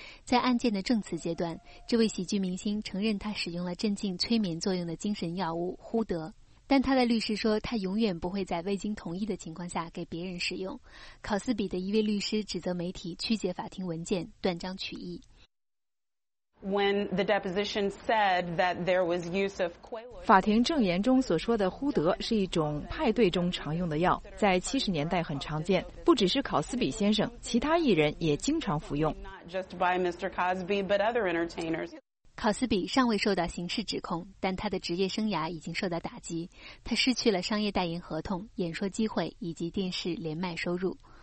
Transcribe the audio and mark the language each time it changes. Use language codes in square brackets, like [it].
[zh] 在案件的证词阶段，这位喜剧明星承认他使用了镇静催眠作用的精神药物呼德，但他的律师说他永远不会在未经同意的情况下给别人使用。考斯比的一位律师指责媒体曲解法庭文件，断章取义。 [en] When the deposition said that there was use of Quaalude, [zh] 法庭证言中所说的呼德是一种派对中常用的药，在70年代很常见，不只是考斯比先生，其他艺人也经常服用。 [en] Not just by Mr. Cosby, but other entertainers. [zh] 考斯比尚未受到刑事指控，但他的职业生涯已经受到打击，他失去了商业代言合同、演说机会以及电视连麦收入。